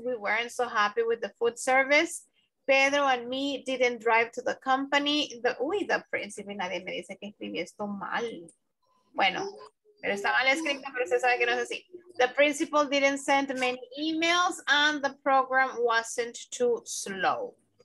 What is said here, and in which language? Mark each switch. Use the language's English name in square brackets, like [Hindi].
[English] We weren't so happy with the food service. Pedro and me didn't drive to the company. The principal, [Spanish] nadie me dice que escribí esto mal. Bueno, pero está mal escrito, pero usted sabe que no es así. [English] The principal didn't send many emails and the program wasn't too slow.